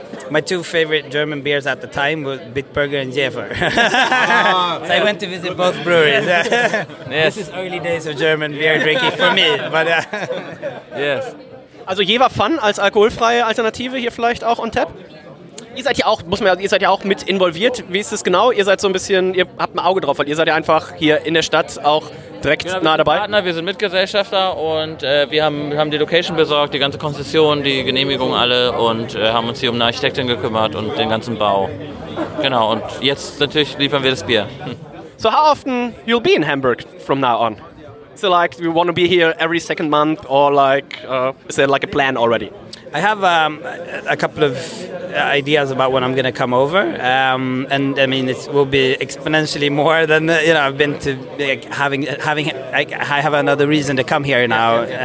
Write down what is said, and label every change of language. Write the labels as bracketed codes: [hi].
[en] My two favorite German beers at the time were Bitburger and Jäfer. So I went to visit both breweries. Yes. This is early days of German beer drinking for me. But yes. [de] Also Jäfer Fun als alkoholfreie Alternative hier vielleicht auch [en] on tap? [de] Ihr seid ja auch mit involviert. Wie ist das genau? Ihr seid so ein bisschen, ihr habt ein Auge drauf, weil ihr seid ja einfach hier in der Stadt auch direkt nah dabei. Partner, wir sind Mitgesellschafter und wir haben die Location besorgt, die ganze Konzession, die Genehmigung alle und haben uns hier um eine Architektin gekümmert und den ganzen Bau. Genau, und jetzt natürlich liefern wir das Bier. [en] So how often you'll be in Hamburg from now on? So we want to be here every second month or is there a plan already? I have a couple of ideas about when I'm going to come over. It will be exponentially more than, I've been to, I have another reason to come here now.